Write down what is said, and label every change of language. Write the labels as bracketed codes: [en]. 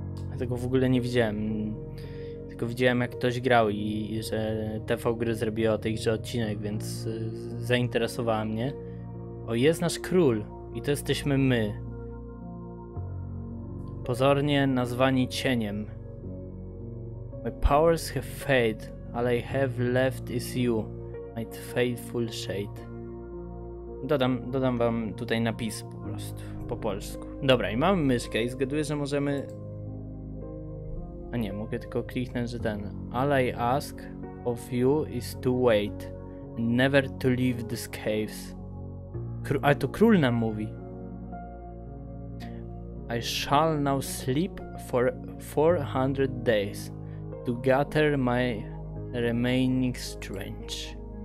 [pl] Ja tego w ogóle nie widziałem. Tylko widziałem, jak ktoś grał i że TV Gry zrobiła o tej grze odcinek, więc zainteresowała mnie. O, jest nasz król i to jesteśmy my. Pozornie nazwani cieniem. [en] My powers have failed. All I have left is you, my faithful shade. [pl] Dodam wam tutaj napis po prostu, po polsku. Dobra, i mamy myszkę i zgaduję, że możemy. A nie, mogę tylko kliknąć, że ten. [en] All I ask of you is to wait, and never to leave these caves. [pl] Ale to król nam mówi. [en] I shall now sleep for 400 days. To gather my remaining strength.